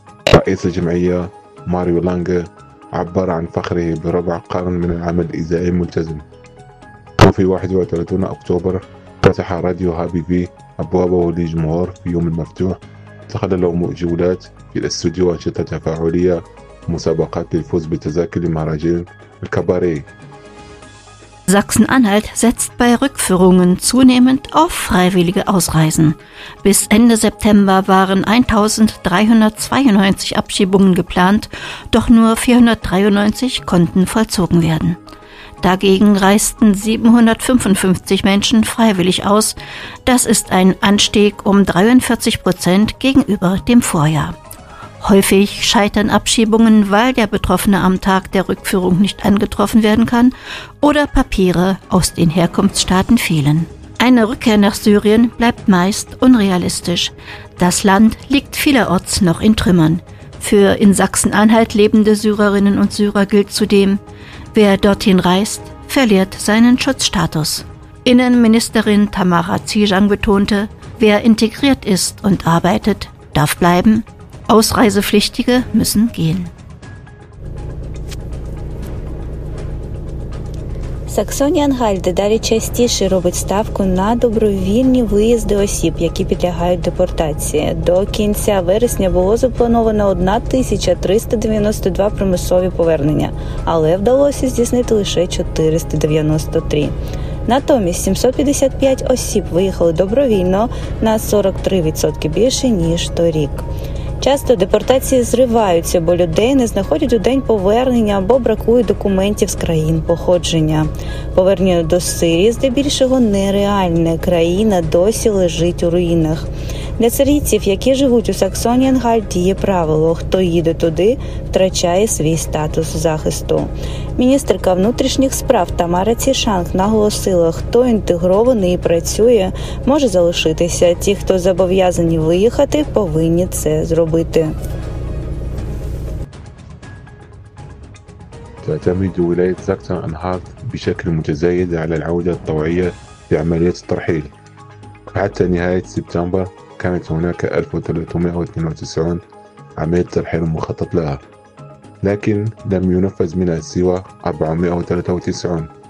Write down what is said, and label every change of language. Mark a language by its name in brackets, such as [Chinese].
[Arabic] رئيس الجمعية ماريو لانغ عبر عن فخره بربع قرن من العمل الإذاعي الملتزم. وفي 31 أكتوبر فتح راديو HBV أبوابه للجمهور في يوم مفتوح، تخللوا جولات في الاستوديو وأنشطة تفاعلية، مسابقات للفوز بتذاكر المهرجان الكباري. [German] Sachsen-Anhalt setzt bei Rückführungen zunehmend auf freiwillige Ausreisen. Bis Ende September waren 1392 Abschiebungen geplant, doch nur 493 konnten vollzogen werden. Dagegen reisten 755 Menschen freiwillig aus. Das ist ein Anstieg um 43% gegenüber dem Vorjahr. Häufig scheitern Abschiebungen, weil der Betroffene am Tag der Rückführung nicht angetroffen werden kann oder Papiere aus den Herkunftsstaaten fehlen. Eine Rückkehr nach Syrien bleibt meist unrealistisch. Das Land liegt vielerorts noch in Trümmern. Für in Sachsen-Anhalt lebende Syrerinnen und Syrer gilt zudem, wer dorthin reist, verliert seinen Schutzstatus. Innenministerin Tamara Zijang betonte, wer integriert ist und arbeitet, darf bleiben. Ausreisepflichtige müssen gehen. [Ukrainian] Саксонія-Анхальт далі частіше робить ставку на добровільні виїзди осіб, які підлягають депортації. До кінця вересня було заплановано 1392 примусові повернення, але вдалося здійснити лише 493. Натомість 755 осіб виїхали добровільно, на 43% більше, ніж торік. Часто депортації зриваються, бо людей не знаходять у день повернення або бракує документів з країн походження. Повернення до Сирії здебільшого нереальне, країна досі лежить у руїнах. Для сирійців, які живуть у Саксонії-Анхальт, діє правило – хто їде туди, втрачає свій статус захисту. Міністерка внутрішніх справ Тамара Цішанг наголосила, хто інтегрований і працює, може залишитися. Ті, хто зобов'язані виїхати, повинні це зробити. [Arabic] تعتمد ولاية ساكسون-أنهالت بشكل متزايد على العودة الطوعية في عمليات الترحيل. حتى نهاية سبتمبر كانت هناك 1392 عملية ترحيل مخطط لها، لكن لم ينفذ منها سوى 493.